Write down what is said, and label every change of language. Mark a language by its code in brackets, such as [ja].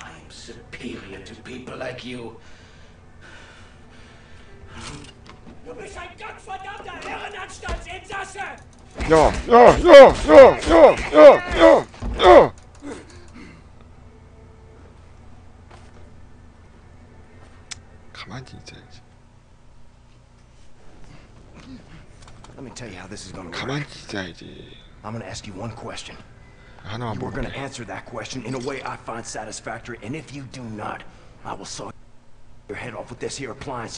[en] Superior to people like you. [de] Du bist ein gottverdammter Herrenanstaltsinsasse! Ja, ja, ja, ja, ja, ja, ja, ja! Kann man die nicht sehen? [en] Let me tell you how this is gonna work. [de] Kann man die nicht sehen? [en] I'm gonna ask you one question. You are going to answer that question in a way I find satisfactory, and if you do not, I will saw your head off with this here appliance.